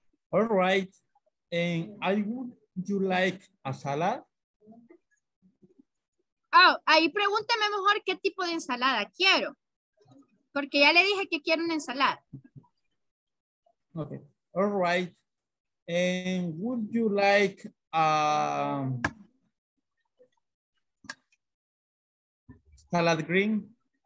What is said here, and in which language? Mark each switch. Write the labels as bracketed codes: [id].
[en] All right, and I would you like a salad? [es] Oh, ahí pregúntame mejor qué tipo de ensalada quiero, porque ya le dije que quiero una ensalada. [en] Ok. All right, and would you like salad green?